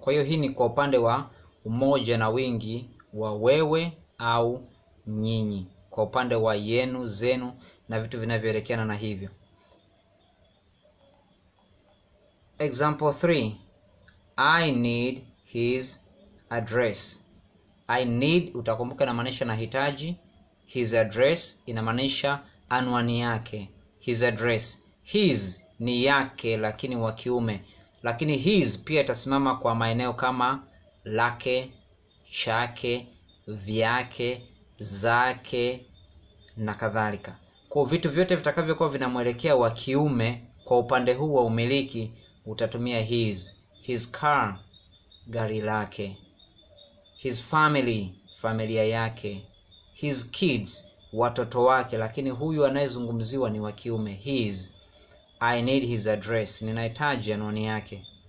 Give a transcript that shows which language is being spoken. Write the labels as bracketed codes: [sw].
[sw] Kwa hiyo hii ni kwa upande wa umoja na wingi wa wewe au nyinyi, kwa upande wa yenu, zenu na vitu vinavyoelekeana na hivyo. [en] Example 3. I need his address. I need, [sw] utakumbuka inamaanisha nahitaji. [en] His address [sw] inamaanisha anwani yake. His address. His ni yake lakini wa kiume. Lakini his pia itasimama kwa maeneo kama lake, chake, vyake, zake na kadhalika. Kwa vitu vyote vitakavyokuwa vinamuelekea wa kiume kwa upande huu wa umiliki, utatumia his. [en] His car, [sw] gari lake. [en] His family, [sw] familia yake. [en] His kids, [sw] watoto wake. Lakini huyu anayezungumziwa ni wa kiume. His. [en] I need his address. [sw] Ninahitaji anwani yake.